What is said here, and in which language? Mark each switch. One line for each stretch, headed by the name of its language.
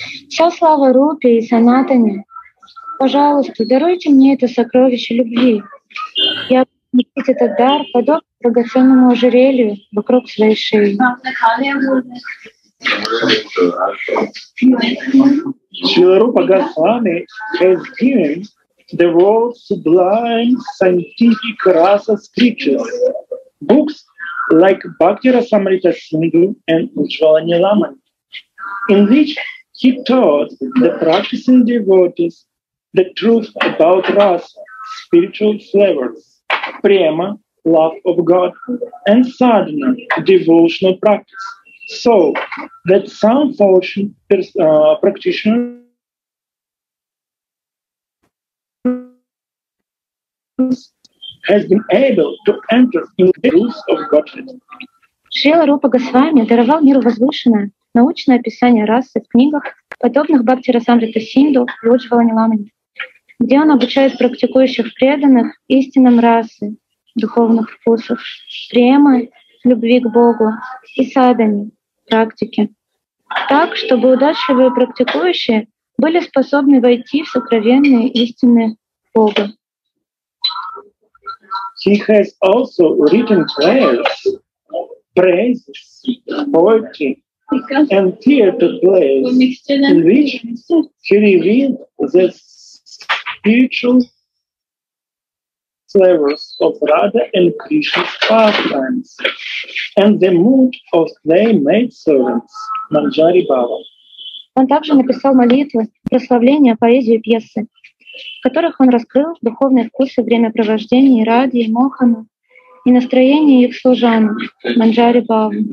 Russian: Вся слава Рупе и Санатане. Пожалуйста, даруйте мне это сокровище любви. Я носить этот дар подобно драгоценному ожерелью вокруг своей шеи.
English: Шрила Рупа Госвами has given the world's sublime scientific rasa scriptures, books like Bhakti Rasamrita Sindhu and Ujjvala Nilaman, in which he taught the practicing devotees the truth about rasa, spiritual flavors, prema, love of God, and sadhana, devotional practice. So that some fortune practitioners has been able to enter in the truth of Godhead.
Russian: Шрила Рупа Госвами даровал миру возвышенное научное описание расы в книгах, подобных Бхакти Расамрита Синдху и Ужвала Ниламани, где он обучает практикующих преданных истинам расы, духовных вкусов, премы, любви к Богу и садхане, практики, так, чтобы удачливые практикующие были способны войти в сокровенные истины Бога.
English: He has also written prayers, praises, poetry, and theater plays in which he revealed the spiritual flavors of Radha and Krishna's pastimes and the mood of their maidservants, Manjari Bhava.
Russian: Он также написал молитвы, прославления, поэзию, пьесы, в которых он раскрыл духовные вкусы времяпровождения Радхи и Мохана и настроение их служанок, Манджари Бхава.